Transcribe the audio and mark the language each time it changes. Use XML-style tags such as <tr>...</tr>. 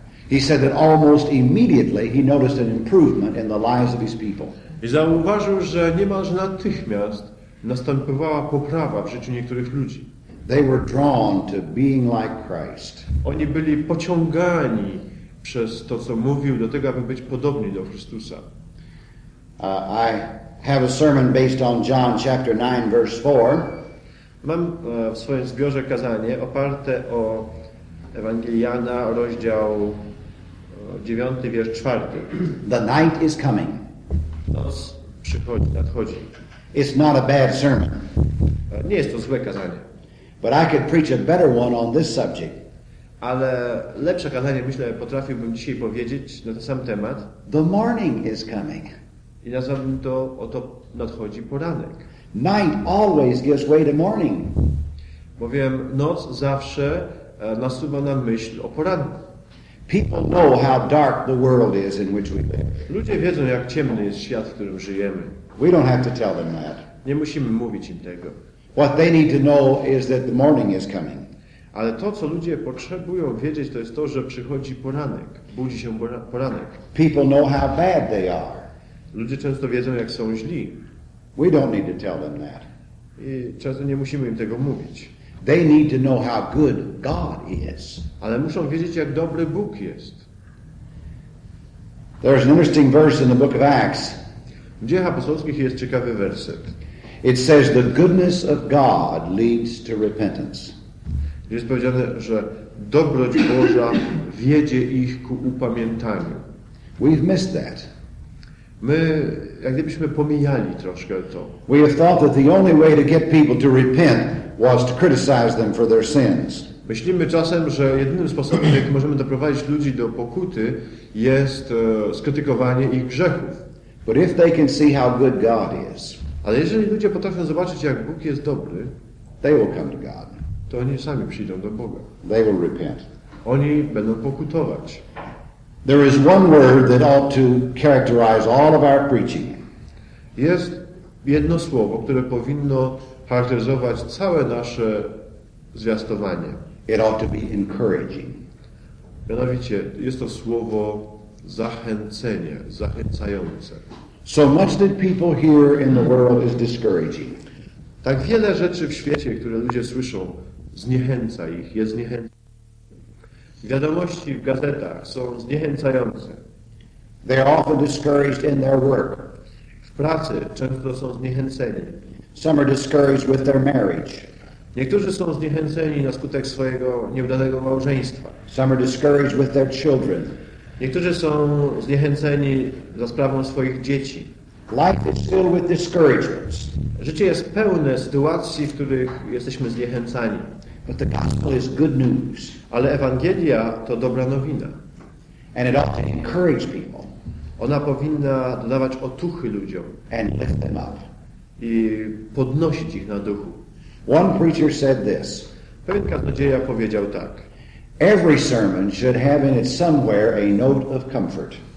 <en>He said that almost immediately he noticed an improvement in the lives of his people.</en> <pl>I zauważył, że niemalże natychmiast następowała poprawa w życiu niektórych ludzi.</pl> <en>They were drawn to being like Christ.</en> <pl>Oni byli pociągani przez to, co mówił, do tego, aby być podobni do Chrystusa.</pl> <en>I have a sermon based on John chapter 9 verse 4.</en> <pl>Mam w swoim zbiorze kazanie oparte o Ewangelii Jana, rozdział 9, wiersz 4.</pl> <en>The night is coming.</en> <pl>Noc przychodzi, nadchodzi.</pl> <en>It's not a bad sermon.</en> <pl>Nie jest to złe kazanie.</pl> <en>But I could preach a better one on this subject.</en> <pl>Ale lepsze kazanie, myślę, potrafiłbym dzisiaj powiedzieć na ten sam temat.</pl> <en>The morning is coming.</en> <pl>I nazwałbym to, oto nadchodzi poranek.</pl> <en>Night always gives way to morning.</en> <pl>Bowiem noc zawsze nasuwa na myśl o poranku.</pl> <en>People know how dark the world is in which we live.</en> <pl>Ludzie wiedzą, jak ciemny jest świat, w którym żyjemy.</pl> <en>We don't have to tell them that.</en> <pl>Nie musimy mówić im tego.</pl> <en>What they need to know is that the morning is coming.</en> <pl>Ale to, co ludzie potrzebują wiedzieć, to jest to, że przychodzi poranek. Budzi się poranek.</pl> <en>People know how bad they are.</en> <pl>Ludzie często wiedzą, jak są źli.</pl> <en>We don't need to tell them that.</en> <pl>I często nie musimy im tego mówić.</pl> <en>They need to know how good God is.</en> <pl>Ale muszą wiedzieć, jak dobry Bóg jest.</pl> <en>There's an interesting verse in the book of Acts.</en> <pl>W Dziejach Apostolskich jest ciekawy werset.</pl> <en>It says the goodness of God leads to repentance.</en> <pl>Jest powiedziane, że dobroć Boża wiedzie ich ku upamiętaniu.</pl> <en>We've missed that.</en> <pl>My jak gdybyśmy pomijali troszkę to.</pl> <en>We have thought that the only way to get people to repent was to criticize them for their sins.</en> <pl>Myślimy czasem, że jedynym sposobem, jak możemy doprowadzić ludzi do pokuty, jest skrytykowanie ich grzechów.</pl> <en>But if they can see how good God is,</en> <pl>ale jeżeli ludzie potrafią zobaczyć, jak Bóg jest dobry,</pl> <en>they will come to God.</en> <pl>To oni sami przyjdą do Boga.</pl> <en>They will repent.</en> <pl>Oni będą pokutować.</pl> <en>There is one word that ought to characterize all of our preaching.</en> <pl>Jest jedno słowo, które powinno charakteryzować całe nasze zwiastowanie.</pl> <en>It ought to be encouraging.</en> <pl>Mianowicie, jest to słowo zachęcenie, zachęcające.</pl> <en>So much that people hear in the world is discouraging.</en> <pl>Tak wiele rzeczy w świecie, które ludzie słyszą, zniechęca ich, jest zniechęcające. Wiadomości w gazetach są zniechęcające.</pl> <en>They are often discouraged in their work.</en> <pl>W pracy często są zniechęceni.</pl> <en>Some are discouraged with their marriage.</en> <pl>Niektórzy są zniechęceni na skutek swojego nieudanego małżeństwa.</pl> <en>Some are discouraged with their children.</en> <pl>Niektórzy są zniechęceni za sprawą swoich dzieci.</pl> <en>Life is filled with discouragements.</en> <pl>Życie jest pełne sytuacji, w których jesteśmy zniechęcani.</pl> <en>But the gospel is good news.</en> <pl>Ale Ewangelia to dobra nowina.</pl> <en>And it ought to encourage people.</en> <pl>Ona powinna dodawać otuchy ludziom</pl> <en>and lift them up.</en> <pl>I podnosić ich na duchu.</pl> <en>One preacher said this.</en> <pl>Pewien kaznodzieja powiedział tak.</pl> <en>Every sermon should have in it somewhere a note of comfort.</en>